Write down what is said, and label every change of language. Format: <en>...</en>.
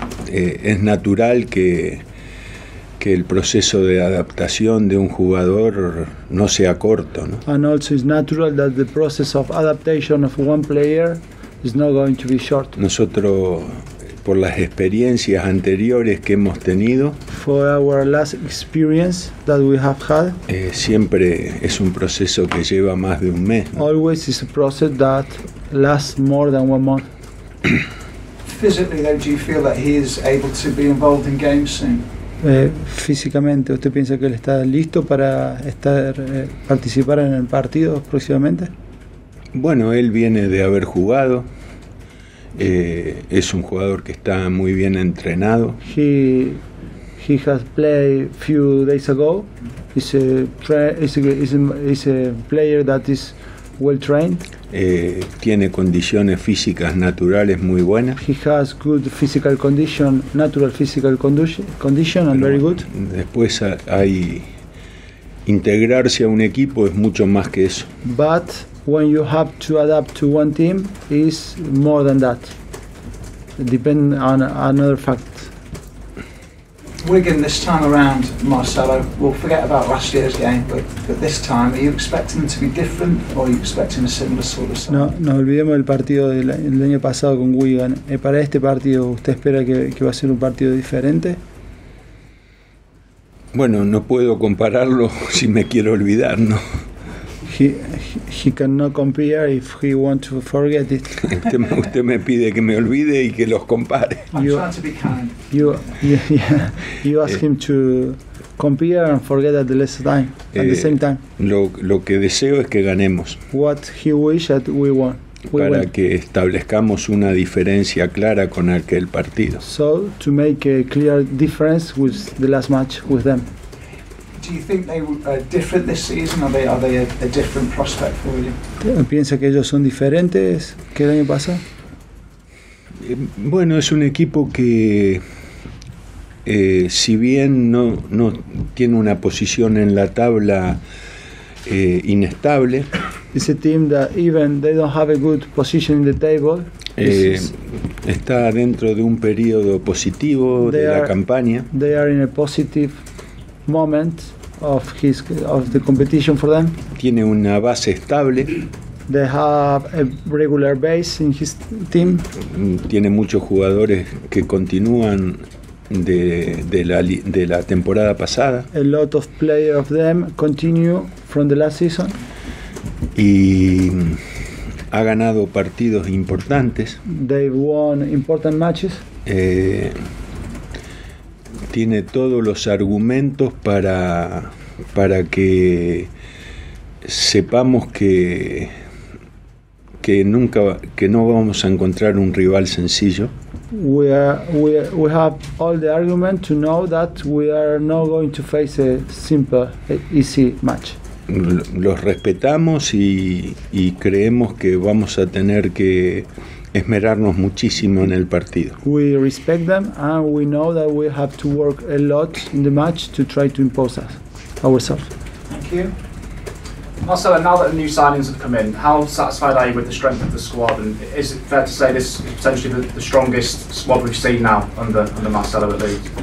<es>Es natural que el proceso de adaptación de un jugador no sea corto, ¿no?</es> <en>And also it's natural that the process of adaptation of one player is not going to be short.</en> <es>Nosotros, por las experiencias anteriores que hemos tenido,</es> <en>for our last experience that we have had,</en> <es>siempre es un proceso que lleva más de un mes, ¿no?</es> <en>Always is a process that lasts more than 1 month. Physically, though, do you feel that he is able to be involved in games soon?</en> <es>Físicamente, ¿usted piensa que él está listo para participar en el partido próximamente? Bueno, él viene de haber jugado. Es un jugador que está muy bien entrenado.</es> <en>He has played a few days ago. Is a player that is well trained.</en> <es>Tiene condiciones físicas naturales muy buenas.</es> <en>He has good physical condition, natural physical condition, and very good.</en> <es>Después hay integrarse a un equipo es mucho más que eso.</es> <en>But when you have to adapt to one team, is more than that. Depend on another fact. Wigan, this time around, Marcelo, we'll forget about last year's game, but this time, are you expecting them to be different, or are you expecting a similar sort of side?</en> <es>No, no olvidemos el partido del año pasado con Wigan. Para este partido, ¿usted espera que va a ser un partido diferente? Bueno, no puedo compararlo si me quiero olvidar, ¿no?</es> <en>He cannot compare if he wants to forget it.</en> <es>Usted me pide que me olvide y que los compare.</es> <en>I'm trying to be kind. You ask him to compare and forget at the last time, at the same time.</en> <es>Lo que deseo es que ganemos.</es> <en>What he wishes that we won.</en> <es>Para que establezcamos una diferencia clara con aquel partido.</es> <en>So to make a clear difference with the last match with them. Do you think they are different this season, or are they a different prospect for you?</en> <es>¿Piensa que ellos son diferentes que el año pasado? Bueno, es un equipo que, si bien no tiene una posición en la tabla inestable.</es> <en>It's a team that even they don't have a good position in the table.</en> <es>Está dentro de un periodo positivo de la campaña.</es> <en>They are in a positive moment of the competition for them.</en> <es>Tiene una base estable.</es> <en>They have a regular base in his team.</en> <es>Tiene muchos jugadores que continúan de la temporada pasada.</es> <en>A lot of players of them continue from the last season.</en> <es>Y ha ganado partidos importantes.</es> <en>They've won important matches.</en> <es>Tiene todos los argumentos para que sepamos que nunca, que no vamos a encontrar un rival sencillo.</es> <en>we have all the argument to know that we are not going to face a simple, easy match.</en> <es>Los respetamos y creemos que vamos a tener que esmerarnos muchísimo en el partido.</es> <en>We respect them and we know that we have to work a lot in the match to try to impose us ourselves. Thank you. Marcelo, now that the new signings have come in, how satisfied are you with the strength of the squad? And is it fair to say this is potentially the strongest squad we've seen now under Marcelo at least?</en>